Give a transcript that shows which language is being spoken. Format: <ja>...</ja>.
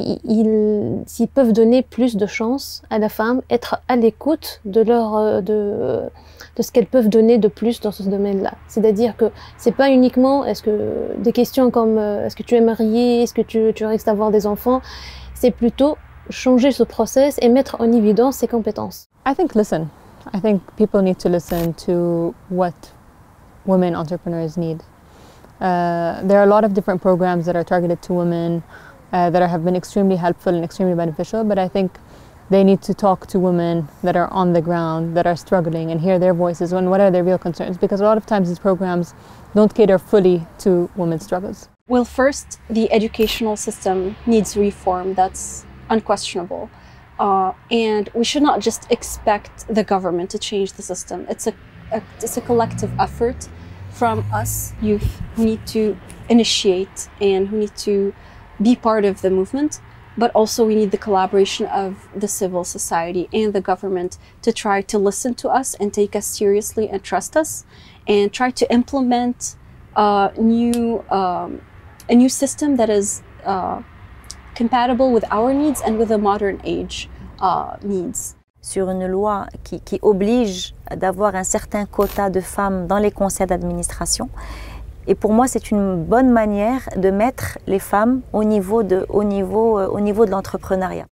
<fr>Ils peuvent donner plus de chances à la femme, être à l'écoute de leur, de ce qu'elles peuvent donner de plus dans ce domaine-là. C'est-à-dire que c'est pas uniquement, est-ce que, des questions comme, est-ce que tu es mariée, est-ce que tu risques d'avoir des enfants, c'est plutôt changer ce process et mettre en évidence ses compétences.</fr> <en>I think people need to listen to what women entrepreneurs need. There are a lot of different programs that are targeted to women that have been extremely helpful and extremely beneficial, but I think they need to talk to women that are on the ground, that are struggling, and hear their voices and what are their real concerns, because a lot of times these programs don't cater fully to women's struggles. Well, first, the educational system needs reform. That's unquestionable. And we should not just expect the government to change the system. It's a collective effort from us youth who need to initiate and who need to be part of the movement, but also we need the collaboration of the civil society and the government to try to listen to us and take us seriously and trust us and try to implement a new system that is compatible with our needs and with the modern age needs.</en> <fr>Sur une loi qui oblige d'avoir un certain quota de femmes dans les conseils d'administration. Et pour moi, c'est une bonne manière de mettre les femmes au niveau de l'entrepreneuriat.</fr>